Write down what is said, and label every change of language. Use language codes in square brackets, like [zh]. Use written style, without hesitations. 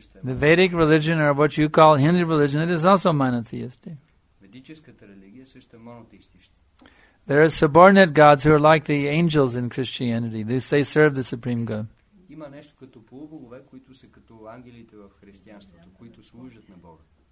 [en] the Vedic religion, or what you call Hindu religion, it is also monotheistic. [bg] Ведическата религия също е монотеистична. [en] There are subordinate gods who are like the angels in Christianity. They serve the supreme God. [bg] Има нещо като полубогове, които са като ангелите в християнството, които служат на Бога.